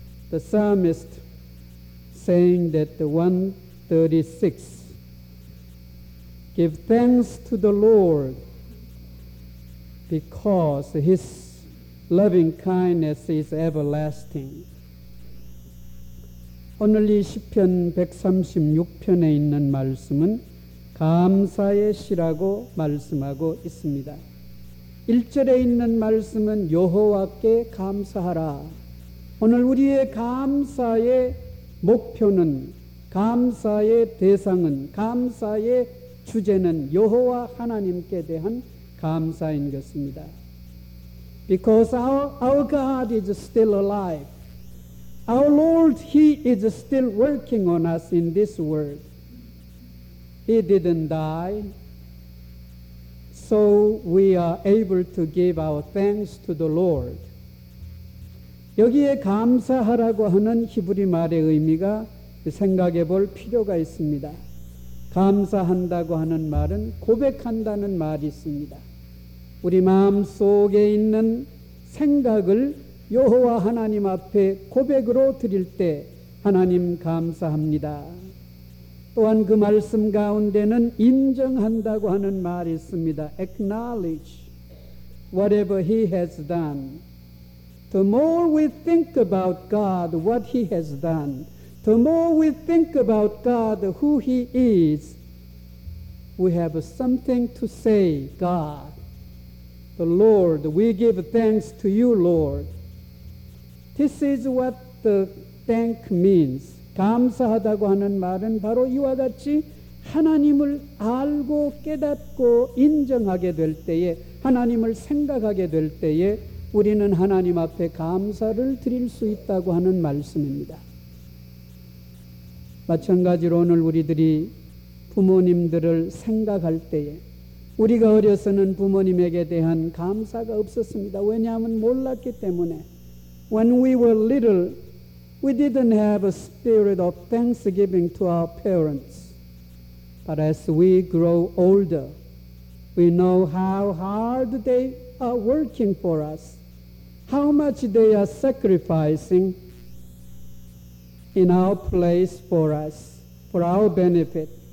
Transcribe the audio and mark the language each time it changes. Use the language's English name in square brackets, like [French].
[English] The psalmist saying that the 136, give thanks to the Lord because his loving kindness is everlasting. [Korean] 오늘 이 시편 136편에 있는 말씀은 감사의 시라고 말씀하고 있습니다. 1절에 있는 말씀은 여호와께 감사하라. 오늘 우리의 감사의 목표는, 감사의 대상은, 감사의 주제는 여호와 하나님께 대한 감사인 것입니다. [English] Because our God is still alive. Our Lord, he is still working on us in this world. He didn't die. So we are able to give our thanks to the Lord. [Korean] 여기에 감사하라고 하는 히브리 말의 의미가 생각해 볼 필요가 있습니다. 감사한다고 하는 말은 고백한다는 말이 있습니다. 우리 마음 속에 있는 생각을 여호와 하나님 앞에 고백으로 드릴 때 하나님 감사합니다. 또한 그 말씀 가운데는 인정한다고 하는 말이 있습니다. [English] Acknowledge whatever he has done. The more we think about God, what he has done, the more we think about God, who he is, we have something to say, God, the Lord, we give thanks to you, Lord. This is what the thank means. [Korean] 감사하다고 하는 말은 바로 이와 같이 하나님을 알고 깨닫고 인정하게 될 때에, 하나님을 생각하게 될 때에 우리는 하나님 앞에 감사를 드릴 수 있다고 하는 말씀입니다. 마찬가지로 오늘 우리들이 부모님들을 생각할 때에, 우리가 어려서는 부모님에게 대한 감사가 없었습니다. 왜냐하면 몰랐기 때문에. [English] When we were little, we didn't have a spirit of thanksgiving to our parents. But as we grow older, we know how hard they are working for us, how much they are sacrificing in our place for us, for our benefit.